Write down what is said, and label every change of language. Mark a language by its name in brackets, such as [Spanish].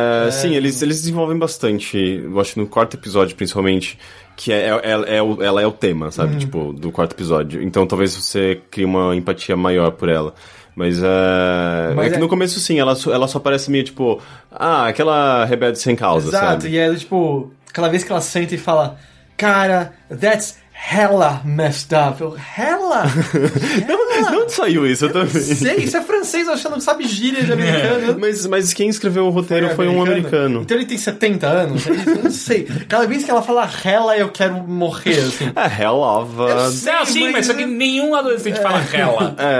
[Portuguese] Sim, eles desenvolvem bastante. Eu acho no quarto episódio, principalmente... Que ela é o tema, sabe? Tipo, do quarto episódio. Então talvez você crie uma empatia maior por ela. Mas é que no começo, sim, ela só parece meio tipo... Ah, aquela rebelde sem causa, exato, sabe? Exato, e é tipo... Aquela vez que ela senta e fala... [English] Cara, that's hella messed up. [Portuguese] Hella? Não, onde saiu isso? Eu também. Não sei, isso é francês, achando que sabe gíria de americano. Mas quem escreveu o roteiro foi um americano. Então ele tem 70 anos? Eu não sei. Cada vez que ela fala hella, eu quero morrer, assim. É, hell of a... Não, sim, mas só que nenhum adolescente fala hella.